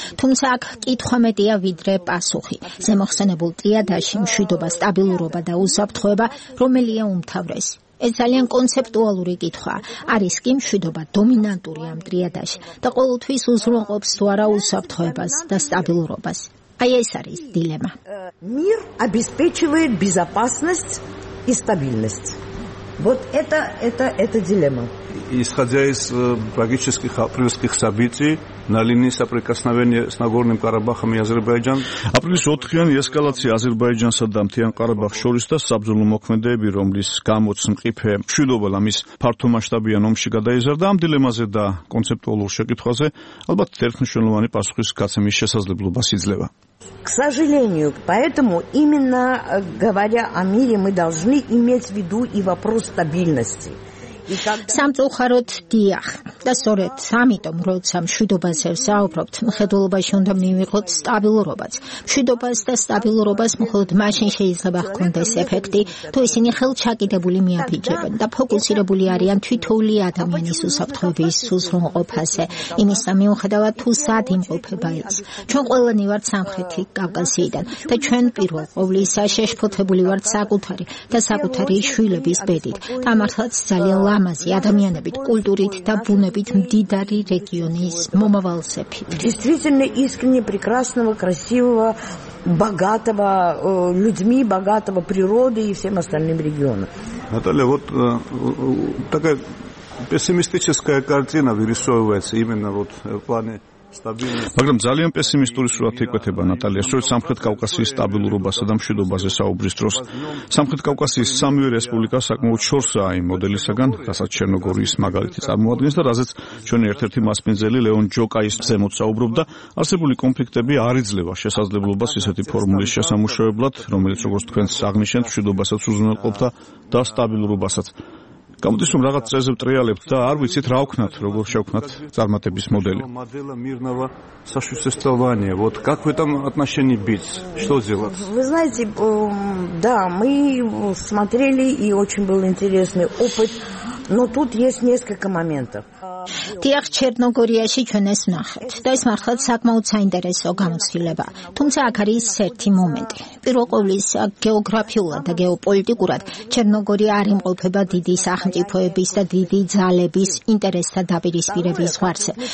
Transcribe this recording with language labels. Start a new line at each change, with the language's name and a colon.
Georgian: თუმცა აქ კითხვა მეტია ვიდრე პასუხი. ზემოხსენებულ ტრიადაში მშვიდობა, სტაბილურობა და უსაფრთხოება რომელია უმთავრესი? ეს ძალიან კონცეპტუალური კითხვა. არის კი მშვიდობა დომინანტური ამ ტრიადაში და ყოველთვის უზრუნყოფს თუ არა უსაფრთხოებას და სტაბილურობას? აი ეს არის დილემა.
Russian: Мир обеспечивает безопасность и стабильность. Вот это дилемма. Исходя из трагических апрельских событий на линии соприкосновения с Нагорным Карабахом и Азербайджаном,
Georgian: апрельс 4-ян эскалация Азербайджанса да Мтян Карабах შორის და საბრძოლო მოქმედებები, რომლის გამოც მყიფე მშვიდობა და მის ფართომასშტაბიან ომში გადაიზარდა, ამ დილემაზე და კონცეპტუალურ შეკითხვაზე ალბათ ერთმნიშვნელოვანი პასუხის გაცემის შესაძლებლობა სიძლევა.
Russian: К сожалению, поэтому именно говоря о мире, мы должны иметь в виду и вопрос стабильности.
Georgian: სამწუხაროდ, დიახ, და სწორედ ამიტომ, როცა მშვიდობაზე ვსაუბრობთ, მხედველობაში უნდა მივიღოთ სტაბილურობას. მშვიდობას და სტაბილურობას მხოლოდ მაშინ შეიძლება ჰქონდეს ეფექტი, თუ ისინი ხელჩაკიდებული მიაბიჯებენ და ფოკუსირებული არიან თვითოული ადამიანის უსაფრთხოების უზრუნყოფაზე, იმისა მიუხედავად, თუ სად იმყოფება ის. ჩვენ ყველანი ვართ სამხრეთი კავკასიიდან და ჩვენ პირველ ყოვლისა შეშფოთებული ვართ საკუთარი და საკუთარი შვილების ბედით. და მართლაც ძალიან ლამაზი ადამიანებით, კულტურით და ბუნებით მდიდარი რეგიონის მომავალსები.
Russian: Действительно искренне прекрасного, красивого, богатого людьми, богатого природой и всем остальным регионом. Наталья, вот такая пессимистическая картина вырисовывается именно вот в плане
Georgian: მაგრამ ძალიან პესიმისტური სურათი ეკვეთება ნატალია, სწორედ სამხრეთ კავკასიის სტაბილურობასა და მშვიდობაზე საუბრის დროს. სამხრეთ კავკასიის სამივე რესპუბლიკა საკმაოდ შორსაა იმ მოდელისაგან, რასაც ჩერნოგორიის მაგალითი წარმოადგენს და რაზეც ჩვენი ერთ-ერთი მასპინძელი ლეონ ჯოკაის ზემოთ საუბრობდა. არსებული კონფლიქტები არ იძლევა შესაძლებლობას ისეთი ფორმულის შესამუშავებლად, რომელიც, როგორც თქვენს აღნიშნეთ, მშვიდობასაც უზრუნველყოფდა და სტაბილურობასაც. გამოდის, რომ რაღაც წესზე ვტრიალებთ და არ ვიცით რა ვქნათ, როგორ შევქნათ წარმატების მოდელი.
Russian: Модель мирного сосуществования. Вот как в этом отношении быть? Что делать? Вы знаете, да, мы смотрели и очень был интересный опыт, но тут есть несколько моментов.
Georgian: Тех Черногорияში ჩვენ ეს ნახეთ და ეს მართლაც საკმაოდ საინტერესო გამოცდილება. თუმცა აქ არის ერთი მომენტი. პირველ ყოვლისა, გეოგრაფიულად და გეოპოლიტიკურად ჩერნოგორია არ იმყოფება დიდი სახელმწიფოების და დიდი ძალების ინტერესთა დაპირისპირების ზღვარზე.